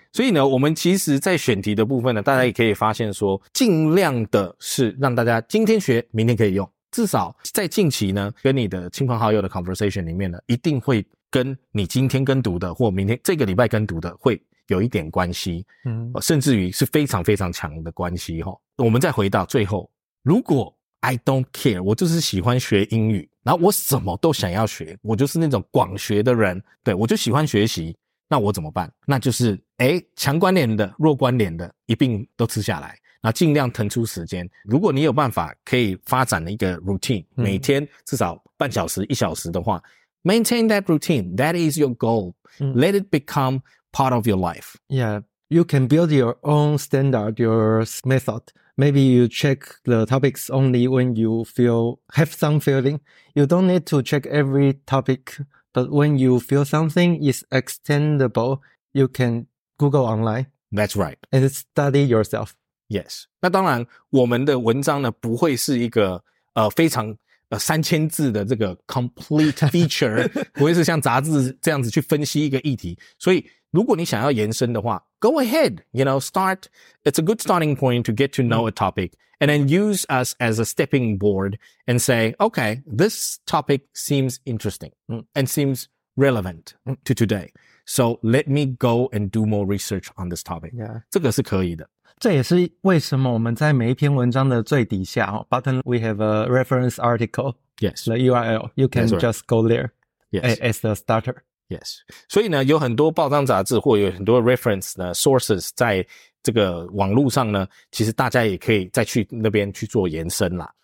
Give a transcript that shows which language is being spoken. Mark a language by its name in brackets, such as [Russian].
[Chinese] 所以呢，我们其实在选题的部分呢，大家也可以发现说，尽量的是让大家今天学明天可以用，至少在近期呢跟你的亲朋好友的 conversation 里面呢，一定会跟你今天跟读的或明天这个礼拜跟读的会有一点关系、甚至于是非常非常强的关系、我们再回到最后，如果 [English] I don't care， [Chinese] 我就是喜欢学英语，然后我什么都想要学，我就是那种广学的人，对，我就喜欢学习，那我怎么办？那就是强关联的弱关联的一并都吃下来，那尽量腾出时间。如果你有办法可以发展一个 routine， 每天至少半小时一小时的话， [English] maintain that routine， that is your goal， let it become part of your life。 Yeah， you can build your own standard， your method。 Maybe you check the topics only when you feel have some feeling， you don't need to check every topicBut when you feel something is extendable, you can Google online. That's right. And study yourself. Yes. [Chinese] 那当然我们的文章呢不会是一个非常3000字的这个 [English] complete feature, [Chinese] 不会是像杂志这样子去分析一个议题。所以如果你想要延伸的话， [English] go ahead, you know, start. It's a good starting point to get to know a topic and then use us as a stepping board and say, okay, this topic seems interesting and seems relevant to today. So let me go and do more research on this topic. Yeah. [Chinese] 这个是可以的。这也是为什么我们在每一篇文章的最底下 [English] button we have a reference article. Yes. The URL. You can just go there. Yes. As the starter. Yes. [Chinese] 所以呢有很多报章杂志或有很多 reference 的 sources 在这个网络上呢，其实大家也可以再去那边去做延伸啦。